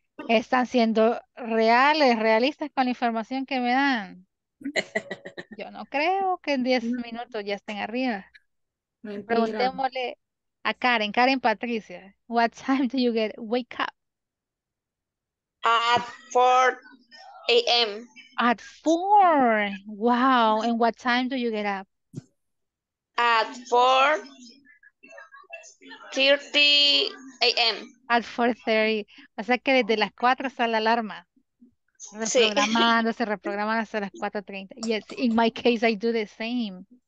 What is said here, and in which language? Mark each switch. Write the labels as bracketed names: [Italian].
[Spanish] Están siendo reales, realistas con la información que me dan. Yo no creo que en 10 minutos ya estén arriba. Mentira. Preguntémosle a Karen. [English] Karen Patricia, what time do you get wake up? At 4 a.m. At 4. Wow. And what time do you get up? At 4:30 a.m. [Spanish] At 4:30. O sea que desde las 4 está la alarma. reprogramando, sí. Se reprograman hasta las 4:30. [English] Yes, in my case, I do the same.